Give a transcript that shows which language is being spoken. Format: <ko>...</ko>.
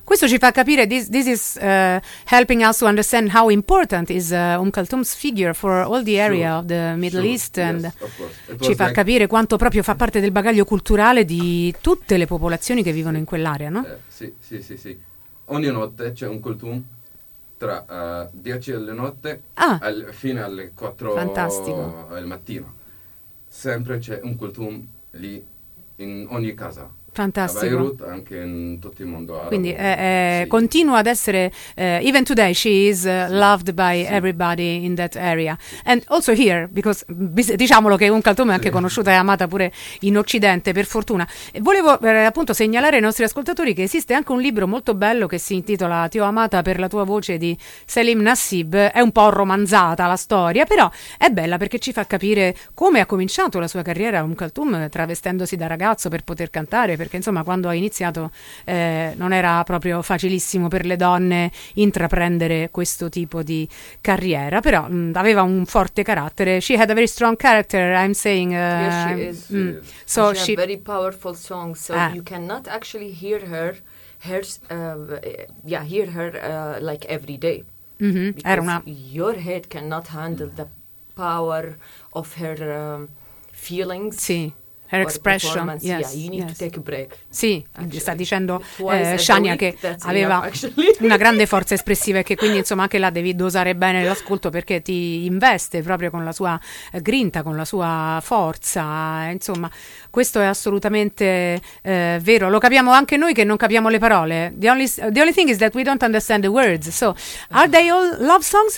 <it>Questo ci fa capire,</it> <en>this is helping us to understand how important is Umm Kulthum's figure for all the area, sure. Of the Middle, sure. East, and yes, of course.</en> <it>Ci fa capire quanto proprio fa parte del bagaglio culturale di tutte le popolazioni che vivono in quell'area, no? Sì. Ogni notte c'è Umm Kulthum tra 10 alle notte fino alle 4 fantastico. Del mattino. Sempre c'è Umm Kulthum lì. In ogni casa. Fantastico. A Beirut, anche in tutto il mondo arabo. Quindi sì. Continua ad essere,</it> <en>even today she is</en> <it>sì.</it> <en>Loved by</en> <it>sì.</it> <en>Everybody in that area.</en> <it>Sì.</it> <en>And also here, because</en> <it>diciamolo che Umm Kulthum è anche conosciuta e amata pure in Occidente, per fortuna. E volevo appunto segnalare ai nostri ascoltatori che esiste anche un libro molto bello che si intitola Ti ho amata per la tua voce di Selim Nasib. È un po' romanzata la storia, però è bella perché ci fa capire come ha cominciato la sua carriera Umm Kulthum, travestendosi da ragazzo per poter cantare. Perché insomma quando ha iniziato non era proprio facilissimo per le donne intraprendere questo tipo di carriera, però aveva un forte carattere.</it> <en>She had a very strong character, I'm saying. Yes, she is. So she has very powerful song, so you cannot actually hear her, hear her like every day.</en> <it>Era una...</it> <en>Your head cannot handle the power of her feelings. Sì. her expression. Yes. Yeah, you need to take a break.</en> <it>Sì,</it> <en>actually.</en> <it>Sta dicendo Shania che aveva una grande forza espressiva e che quindi insomma anche la devi dosare bene l'ascolto, perché ti investe proprio con la sua grinta, con la sua forza. Insomma, questo è assolutamente vero. Lo capiamo anche noi che non capiamo le parole.</it> <en>The only thing is that we don't understand the words. So, are they all love songs?</en>